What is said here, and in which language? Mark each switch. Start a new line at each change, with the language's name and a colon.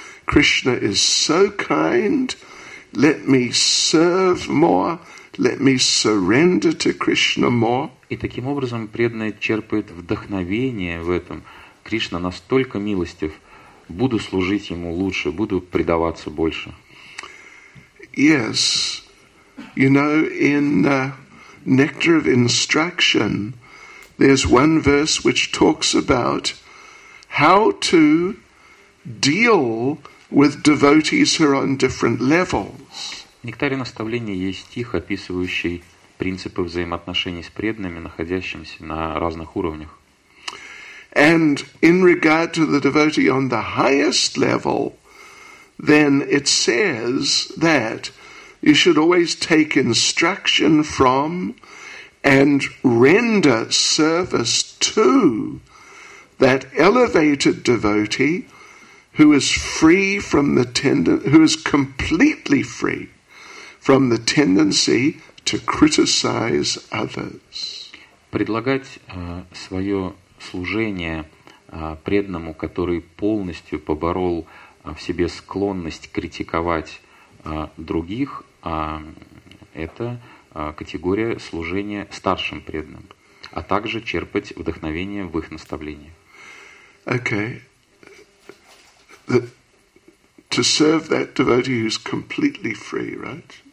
English: Krishna is so kind. Let me serve more. Let me surrender to Krishna more.
Russian: И таким образом преданный черпает вдохновение в этом. Кришна настолько милостив. Буду служить ему лучше. Буду предаваться больше.
English: Yes, you know, in Nectar of Instruction, there's one verse which talks about how to deal with devotees who are on different levels.
Russian: В Нектаре наставления есть стих, описывающий принципы взаимоотношений с преданными, находящимися на разных уровнях.
English: And in regard to the devotee on the highest level, then it says that you should always take instruction from and render service to that elevated devotee who is free from the who is completely free from the tendency to criticize others.
Russian: Предлагать свое служение преданному, который полностью поборол в себе склонность критиковать других, это категория служения старшим преданным, а также черпать вдохновение в их наставлениях.
English: Okay. To serve that devotee who's completely free, right?